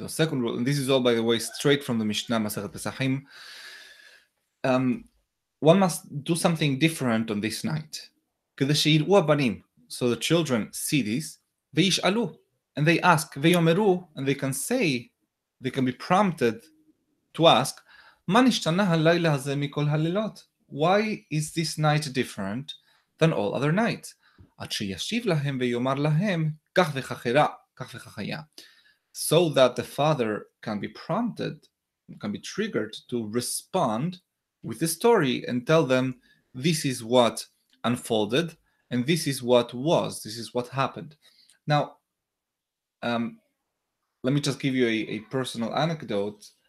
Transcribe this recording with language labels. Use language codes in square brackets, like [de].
[en] Second rule, and this is all by the way, straight from the Mishnah, מסכת פסחים. One must do something different on this night. [he] כדי שיראו הבנים. [en] So the children see this, [he] וישאלו, [en] and they ask, [he] ויאמרו, [en] and they can say, they can be prompted to ask, [he] מה נשתנה הלילה הזה מכל הלילות? [en] Why is this night different than all other nights? [he] עד שישיב להם ויאמר להם, כך וכחרה, כך וכחיה. [en] So that the father can be prompted, can be triggered to respond with the story and tell them, this is what unfolded, and this is what was, this is what happened. Now, let me just give you a personal anecdote.